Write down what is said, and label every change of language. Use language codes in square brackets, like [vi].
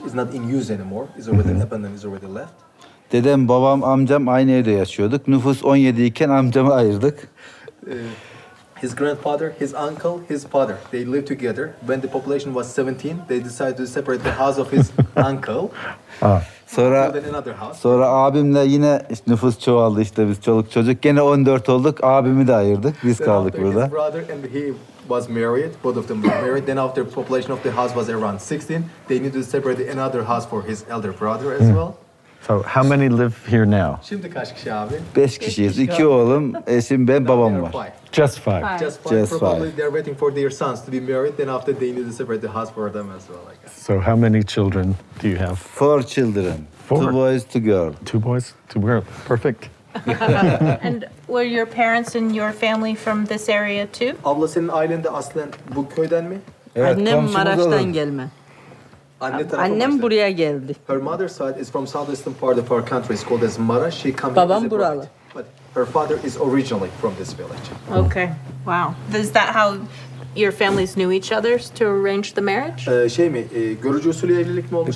[en] It's not in use anymore. It's already abandoned. It's already left. [tr] Dedem, babam, amcam aynı evde yaşıyorduk. Nüfus 17 iken amcamı ayırdık. [en] His grandfather, his uncle, his father, they lived together. When the population was 17, they decided to separate the house of his uncle. [tr] Sonra, [en] another house. [tr] Sonra abimle yine işte nüfus çoğaldı işte biz çoluk çocuk. Gene 14 olduk, abimi de ayırdık. Biz [en] then [tr] kaldık burada. [en] His brother and he was married, both of them were married. Then after population of the house was around 16, they needed to separate another house for his elder brother as well. So how many live here now? [tr] Şimdi kaç kişi abi? 5 kişiyiz. 2 oğlum, eşim, ben, babam var. [en] Just 5. Just 5. Just probably 5. They're waiting for their sons to be married, then after they need to separate the house for them as well, I guess. So how many children do you have? 4 children. 4? 2 boys, 2 girls. 2 boys, 2 girls. Perfect. And were your parents and your family from this area too? [tr] Abla senin ailen de aslen bu köyden mi? Evet, annem Maraş'tan gelme. Annem buraya geldi. [en] Her mother's side is from southeastern part of our country. It's called as Maraş. She comes from [tr] Babam buralı. [en] Bride. But her father is originally from this village. Okay. Wow. Is that how your families knew each other to arrange the marriage? [tr] Şey mi? Görücü usulü evlilik mi olmuş?